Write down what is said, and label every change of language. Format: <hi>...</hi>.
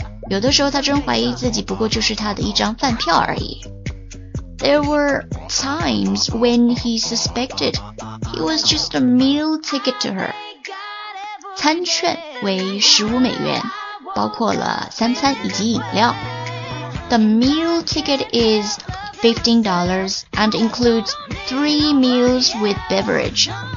<zh>有的时候他真怀疑自己不过就是他的一张饭票而已。</zh> <en>There were times when he suspected he was just a meal ticket to her.</en> <zh>餐券为$15，包括了三餐以及饮料。</zh> <en>The meal ticket is $15 and includes 3 meals with beverage.</en>